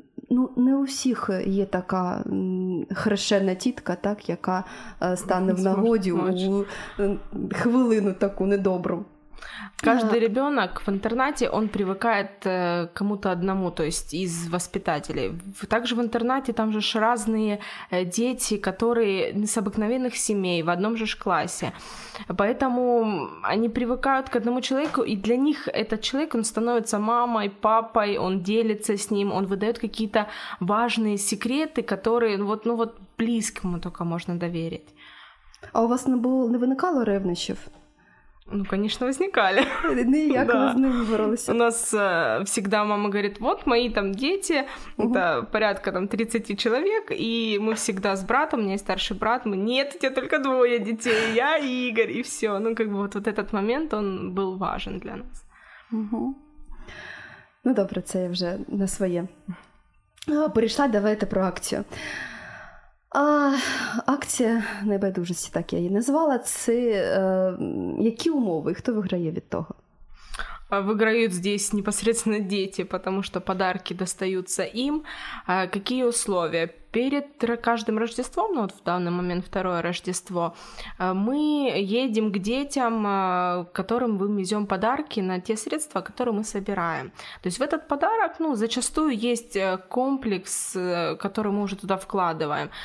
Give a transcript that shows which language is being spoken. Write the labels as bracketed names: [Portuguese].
[Ukrainian] Ну, не у всіх є така хрещена тітка, так, яка стане в нагоді у хвилину таку недобру. [Russian] Каждый ребенок в интернате, он привыкает к кому-то одному, то есть из воспитателей. Также в интернате там же разные дети, которые не с обыкновенных семей, в одном же классе. Поэтому они привыкают к одному человеку, и для них этот человек, он становится мамой, папой, он делится с ним, он выдает какие-то важные секреты, которые вот близкому только можно доверить. [Ukrainian] А у вас не виникало ревнощів? [Russian] Ну, конечно, возникали. Ну, я как раз не выбралась. У нас всегда мама говорит, вот мои там дети, это порядка там 30 человек, и мы всегда с братом, у меня есть старший брат, мы, нет, у тебя только двое детей, я и Игорь, и все. Ну, как бы вот этот момент, он был важен для нас. [Ukrainian] Ну, добре, це я вже на своє. Перейшла, давайте про акцію. Акція небайдужості, так я її назвала, це які умови, хто виграє від того? Виграють [Russian] здесь непосредственно [Ukrainian] діти, тому що подарки достаються їм. Які умови? [Russian] Перед каждым Рождеством, ну вот в данный момент второе Рождество, мы едем к детям, которым мы везем подарки на те средства, которые мы собираем. То есть в этот подарок, ну, зачастую есть комплекс, который мы уже туда вкладываем.